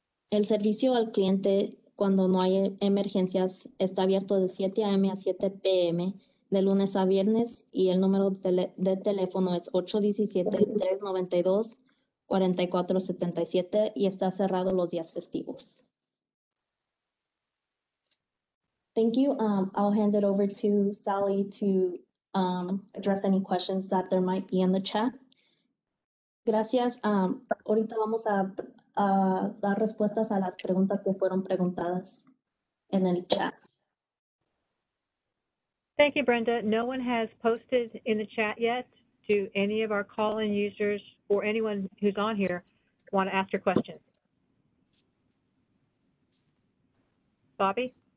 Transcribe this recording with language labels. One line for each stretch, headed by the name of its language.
Spanish: El servicio al cliente cuando no hay emergencias está abierto de 7 a.m. a 7 p.m. de lunes a viernes y el número de teléfono es 817-392-4477 y está cerrado los días festivos.
English: Thank you. I'll hand it over to Sally to address any questions that there might be in the chat.
Spanish: Gracias. Ahorita vamos a dar respuestas a las preguntas que fueron preguntadas en el chat.
English: Thank you, Brenda. No one has posted in the chat yet. Do any of our call-in users or anyone who's on here want to ask your questions? Bobby?